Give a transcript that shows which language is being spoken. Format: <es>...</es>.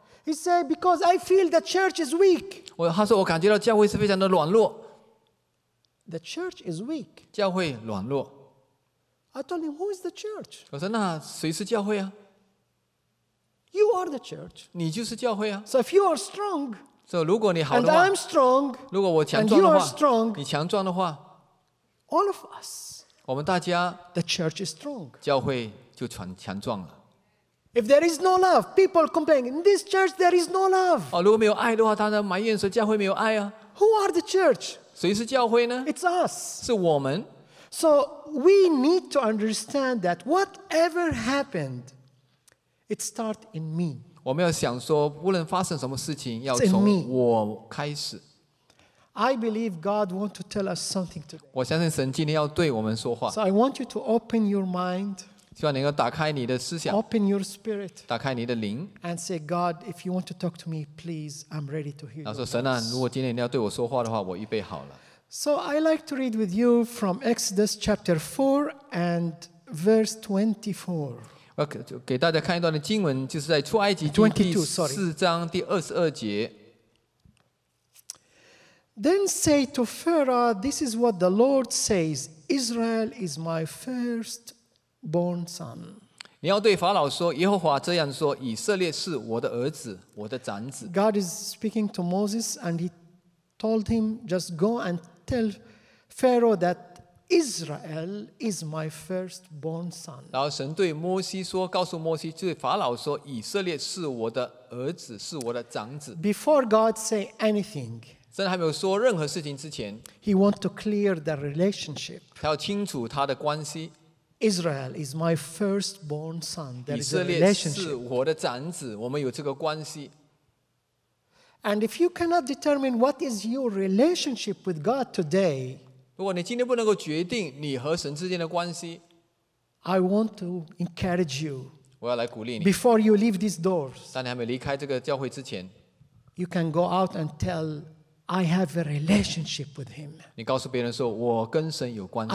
<en>？He said, "Because I feel the church is weak."</en> <zh>他说我感觉到教会是非常的软弱。</zh> <en>The church is weak.</en> <zh>教会软弱。</zh> <en>I told him, "Who is the church?"</en> <zh>我说那谁是教会啊</zh> <en>？You are the church.</en> <zh>你就是教会啊。</zh> <en>So if you are strong,</en> <zh>如果你好的话</zh> <en>，and I'm strong,</en> <zh>如果我强壮的话</zh> <en>，and you are strong,</en> <zh>你强壮的话。</zh> <en>All of us,</en> <zh>我们大家</zh> <en>the church is strong.</en> <zh>教会就强壮了。</zh> <en>If there is no love, people complain. In this church, there is no love.</en> <zh>如果没有爱的话，大家埋怨说教会没有爱啊。</zh> <en>Who are the church?</en> <zh>谁是教会呢</zh> <en>？It's us.</en> <zh>是我们。</zh> <en>So we need to understand that whatever happened, it starts in me.</en> <zh>我们要想说，无论发生什么事情，要从我开始。</zh> <en>I believe God wants to tell us something today.</en> <zh>我相信神今天要对我们说话。</zh> <en>So I want you to open your mind.</en> <zh>希望你能够打开你的思想。</zh> <en>Open your spirit.</en> <zh>打开你的灵。</zh> <en>And say, God, if you want to talk to me, please, I'm ready to hear.</en> <zh>他说：“神啊，如果今天你要对我说话的话，我预备好了。”</zh> <en>So I like to read with you from Exodus chapter 4 and verse 24.</en> <zh>我给大家看一段的经文，就是在出埃及记第四章第二十二节。</zh> <en>Then say to Pharaoh, "This is what the Lord says: Israel is my firstborn son."</en> <zh>你要对法老说，耶和华这样说：以色列是我的儿子，我的长子。</zh> <en>God is speaking to Moses, and He told him, "Just go and tell Pharaoh that Israel is my firstborn son.</en> <zh>然后神对摩西说，告诉摩西，就是法老说，以色列是我的儿子，是我的长子。</zh> <en>Before God say anything,</en> <zh>神还没有说任何事情之前</zh> <en>，He want to clear the relationship.</en> <zh>他要清楚他的关系。</zh> <en>Israel is my firstborn son. That is a relationship.</en> <zh>以色列是我的长子，我们有这个关系。</zh> <en>And if you cannot determine what is your relationship with God today,</en> <zh>如果你今天不能够决定你和神之间的关系</zh> <en>，I want to encourage you.</en> <zh>我要来鼓励你。</zh> <en>Before you leave these doors,</en> <zh>当你还没离开这个教会之前</zh> <en>，you can go out and tell. I have a relationship with him.</en> <zh>你告诉别人说，我跟神有关系。</zh>